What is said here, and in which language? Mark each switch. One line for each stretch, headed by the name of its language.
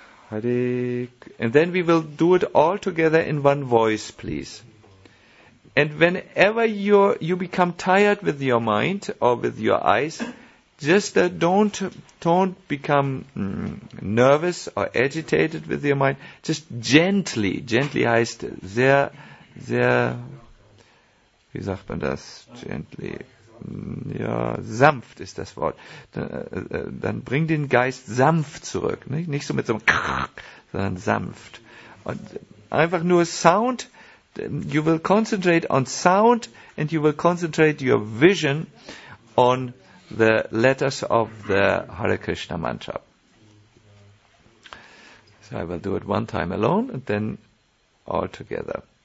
English: And then we will do it all together in one voice, please. And whenever you become tired with your mind or with your eyes, just don't become nervous or agitated with your mind. Just gently
German: heißt sehr, sehr, wie sagt man das? Gently. Ja, sanft ist das Wort. Dann bring den Geist sanft zurück. Nicht so mit so einem Krach, sondern sanft. Und einfach nur Sound.
English: You will concentrate on sound and you will concentrate your vision on the letters of the Hare Krishna mantra. So I will do it one time alone and then all together.